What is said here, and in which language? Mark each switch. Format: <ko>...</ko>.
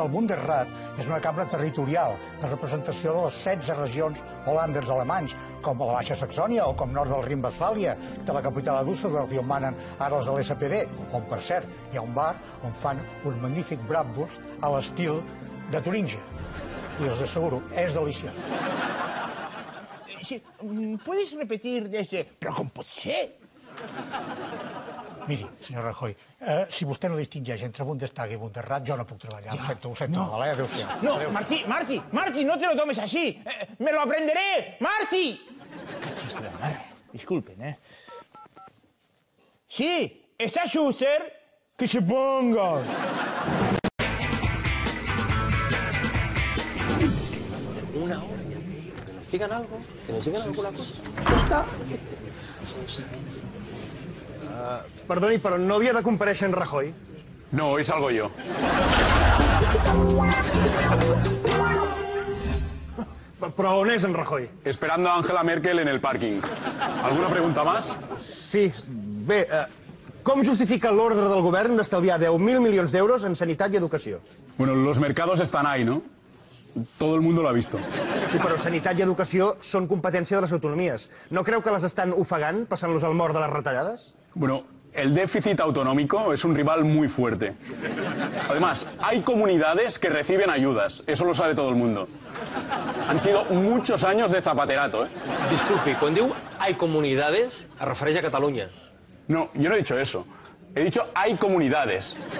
<ca>El Bundesrat és una cambra territorial de representació de les 16 regions o landes alemanys, com la Baixa Saxònia o com nord del Rhin-Westfàlia, de la capital de Düsseldorf i on manen ara els de l'SPD, on, per cert, hi ha un bar on fan un magnífic bratwurst a l'estil de Turingia. I els asseguro, és deliciós.</ca> <es>Sí, ¿puedes repetir desde...?</es> <ca>¿Però com pot ser? Miri, senyor Rajoy, si vostè no distingeix entre Bundestag i Bundesrat, jo no puc treballar. Ja. Ho sento. No. Vale, adéu-siau.</ca> <es>No, adéu-siau. Martí, Martí, Martí, no te lo tomes així. Me lo aprenderé, Martí! Que xista de mare. Disculpen, Sí, està Schuster, que se ponga. Una hora. Que nos digan alguna cosa.</es> <ca>Perdoni, però no havia de comparèixer en Rajoy? No, hi salgo jo. Però on és en Rajoy?</ca> <es>Esperando a Angela Merkel en el pàrquing. Alguna pregunta más?</es> <ca>Sí. Bé, com justifica l'ordre del govern d'estalviar 10.000 milions d'euros en sanitat i educació?</ca> <es>Bueno, los mercados están ahí, ¿no? Todo el mundo lo ha visto.</es> <ca>Sí, però sanitat i educació són competència de les autonomies. No creu que les estan ofegant, passant-los al mort de les retallades?</ca> <es>Bueno, el déficit autonómico es un rival muy fuerte. Además, hay comunidades que reciben ayudas. Eso lo sabe todo el mundo. Han sido muchos años de zapaterato, ¿eh? Disculpe, cuando digo hay comunidades, ¿se refiere a Cataluña? No, yo no he dicho eso. He dicho hay comunidades.</es>